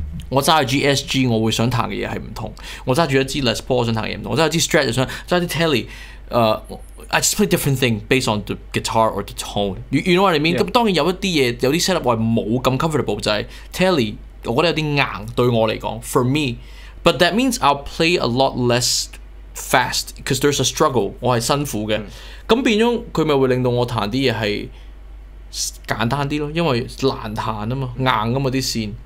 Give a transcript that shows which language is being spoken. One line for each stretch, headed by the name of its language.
Cantonese: 我揸住 GSG， 我會想彈嘅嘢係唔同。我揸住一支 Les Paul 想彈嘅嘢唔同。我揸住一支 Strat 想揸啲 Telly。
English: I just play different thing based on the guitar or the tone. You know what I mean?
Cantonese: 咁、yeah. 當然有一啲嘢有啲 setup 我係冇咁 comfortable 就係 Telly， 我覺得有啲硬對我嚟講
English: ，for me。 But that means I'll play a lot less fast because there's a struggle。
Cantonese: 我係辛苦嘅。咁、變咗佢咪會令到我彈啲嘢係簡單啲咯，因為難彈啊嘛，硬啊嘛啲線。